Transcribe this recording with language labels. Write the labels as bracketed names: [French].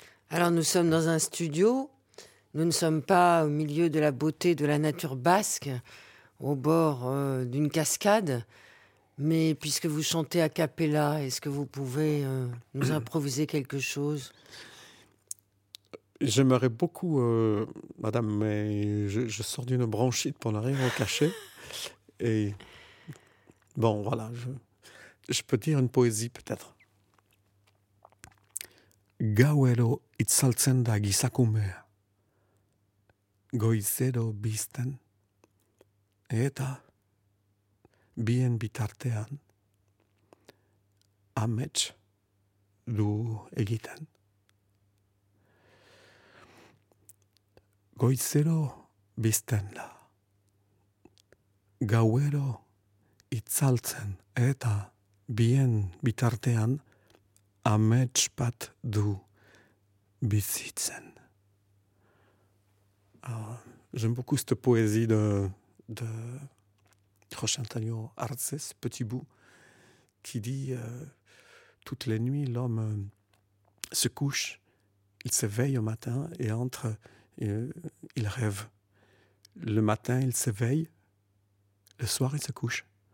[French] Alors nous sommes dans un studio, nous ne sommes pas au milieu de la beauté de la nature basque, au bord d'une cascade, mais puisque vous chantez a cappella, est-ce que vous pouvez nous improviser quelque chose ? J'aimerais beaucoup, madame, mais je sors d'une bronchite pour ne rien vous cacher. Et bon, voilà, je peux dire une poésie peut-être. [Basque] Gauero itzaltzen da gizakumea. Goizero bizten. Eta bien bitartean. Amets du egiten. Goizero bizten da. Gauero itzaltzen eta bien bitartean amets bat du bizitzen. [French] J'aime beaucoup cette poésie de José Antonio Arce, ce petit bout, qui dit toutes les nuits, l'homme se couche, il s'éveille au matin et entre... Il rêve. Le matin, il s'éveille. Le soir, il se couche.